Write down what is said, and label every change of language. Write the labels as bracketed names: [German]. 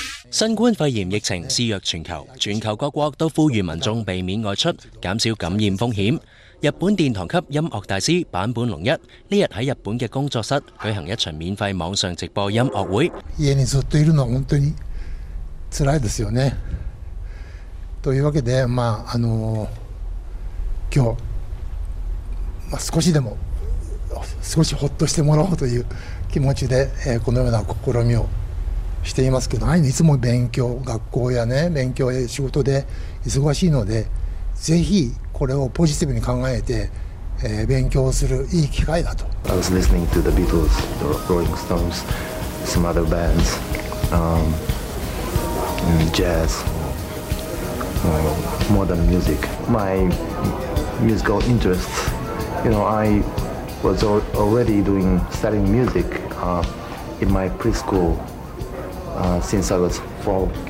[Chinese] 新冠肺炎疫情肆虐全球，全球各国都呼吁民众避免外出，减少感染风险。日本殿堂级音乐大师坂本龙一这日在日本的工作室举行一场免费网上直播音乐会。 [Japanese] 家にずっといるのは本当に辛いですよね。というわけで、まあ、今日少しでも少しほっとしてもらおうという気持ちで、このような試みをしていますけど、いつも勉強、学校やね、勉強や仕事で忙しいので、ぜひこれをポジティブに考えて、勉強するいい機会だと。 [English] I was listening to the Beatles, the Rolling Stones, some other bands, jazz, modern music. My musical interests, you know, I was already doing studying music in my preschool since I was four.